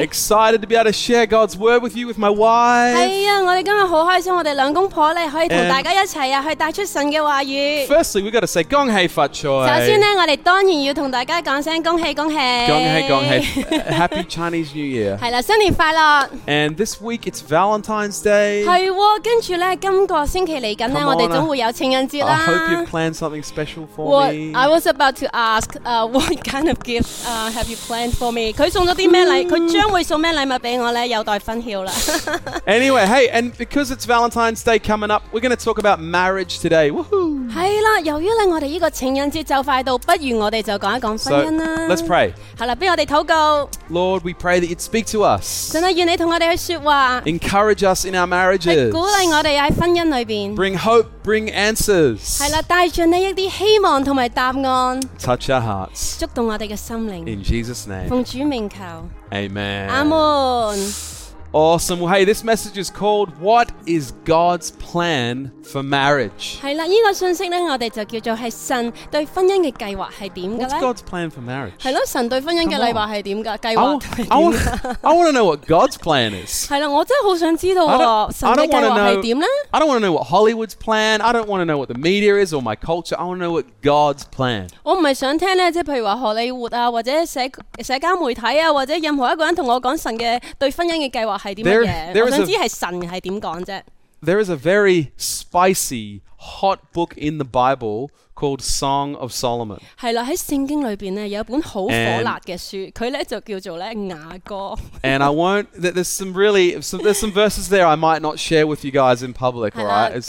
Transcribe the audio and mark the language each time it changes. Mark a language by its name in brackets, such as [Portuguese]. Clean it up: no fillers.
[English] Excited to be able to share God's word with you with my wife. [Cantonese] 係啊，我哋今日好開心，我哋兩公婆咧可以同大家一齊啊，去帶出神嘅話語。 [English] Firstly, we got to say [Cantonese] 恭喜發財。首先咧，我哋當然要同大家講聲恭喜恭喜。恭喜恭喜 [English] ！Happy Chinese New Year. [Cantonese] 係啦，新年快樂。 [English] And this week it's Valentine's Day. [Cantonese] 係喎，跟住咧，今個星期嚟緊咧，我哋總會有情人節啦。 [English] I hope you plan something special for me. I was about to ask, what kind of gift, have you planned for me? [Cantonese] 佢送咗啲咩禮？佢將會送咩禮物俾我咧？有待分曉啦。 [English] Anyway, hey, and because it's Valentine's Day coming up, we're going to talk about marriage today. Woohoo! [Cantonese] 係啦，由於咧我哋依個情人節就快到，不如我哋就講一講婚姻啦。 [English] Let's pray. [Cantonese] 係啦，俾我哋禱告。 [English] Lord, we pray that you'd speak to us. [Cantonese] 神啊，願你同我哋去説話。 [English] Encourage us in our marriages. [Cantonese] 鼓勵我哋喺婚姻裏邊。 [English] Bring hope, bring answers. [Cantonese] 係啦，帶進呢一啲希望同埋答案。 [English] Touch our hearts. [Cantonese] 觸動我哋嘅心靈。 [English] In Jesus' name. [Cantonese] 奉主名求。 [English] Amen. Amen. Awesome. Well, hey, this message is called What is God's Plan for Marriage? [Cantonese] 係啦，依個信息咧，我哋就叫做係神對婚姻嘅計劃係點嘅咧。 [English] What's God's plan for marriage? [Cantonese] 係咯，神對婚姻嘅計劃係點嘅計劃？ [English] I want to know what God's plan is. [Cantonese] 係啦，我真係好想知道喎，神嘅計劃係點咧？ [English] I don't want to know what Hollywood's plan. I don't want to know what the media is or my culture. I want to know what God's plan. [Cantonese] 我唔係想聽咧，即係譬如話荷里活啊，或者社交媒體啊，或者任何一個人同我講神嘅對婚姻嘅計劃。 [English] There is a very spicy, hot book in the Bible called Song of Solomon. [Cantonese] 係啦，喺聖經裏邊咧有一本好火辣嘅書，佢咧就叫做咧雅歌。 [English] And I won't. There's some verses there I might not share with you guys in public, right?